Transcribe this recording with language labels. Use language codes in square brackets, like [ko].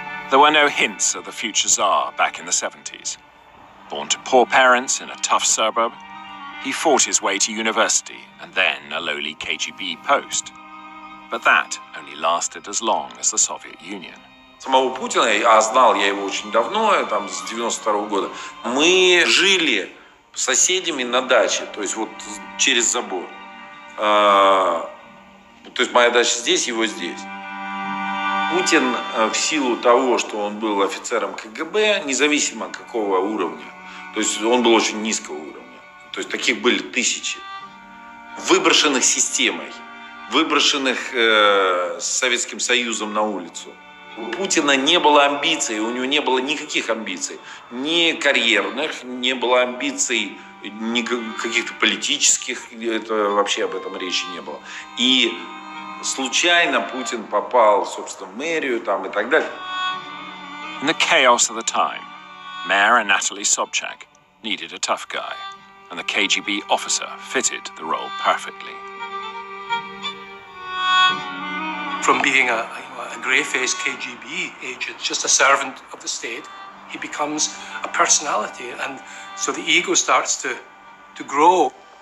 [en] There were no hints of the future Tsar back in the 70s. Born to poor parents in a tough suburb, he fought his way to university and then a lowly KGB post. But that only lasted as long as the Soviet Union. [ru] Самого Путина, я знал я его очень давно, там, с 92 года. Мы жили соседями на даче, то есть вот через забор. То есть моя дача здесь, его здесь. Путин, в силу того, что он был офицером КГБ, независимо какого уровня, то есть он был очень низкого уровня, то есть таких были тысячи, выброшенных системой, выброшенных Советским Союзом на улицу. У Путина не было амбиций, у него не было никаких амбиций, ни карьерных, не было амбиций, ни каких-то политических, это, вообще об этом речи не было. И случайно Путин попал, собственно, в мэрию там и так далее. [en] In the chaos of the time, Mayor Anatoly Sobchak needed a tough guy, and the KGB officer fitted the role perfectly. From being a grey-faced KGB agent, just a servant of the state, he becomes a personality, and so the ego starts to grow.